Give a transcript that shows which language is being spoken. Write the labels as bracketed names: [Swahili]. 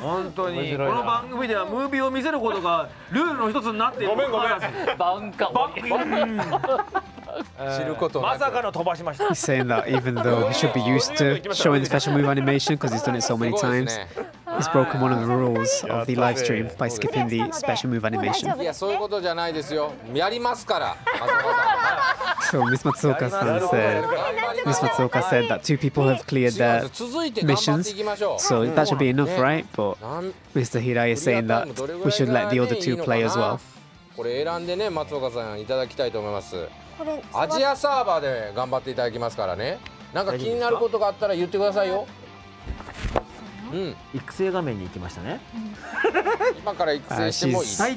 [Japanese] 本当にこの番組ではムービーを見せることがルールの一つになっている。ごめんごめん。バンカバンカ。知ることなく、まさかの飛ばしました。 [English] He's saying that even though he should be used to showing the special move animation because he's done it so many times, he's broken one of the rules of the live stream by skipping the special move animation. [Japanese] いや、そういうことじゃないですよ。やりますから。 [English] So, Miss Matsuoka said that two people have cleared their missions. So, that should be enough, right? But Mr. Hirai is saying that we should let the other two play as well. [Japanese] これ選んでね、松岡さんいただきたいと思います。アジアサーバーで頑張っていただきますからね。なんか気になることがあったら言ってくださいよ。育成画面に行きましたね。今から育成してもいい。最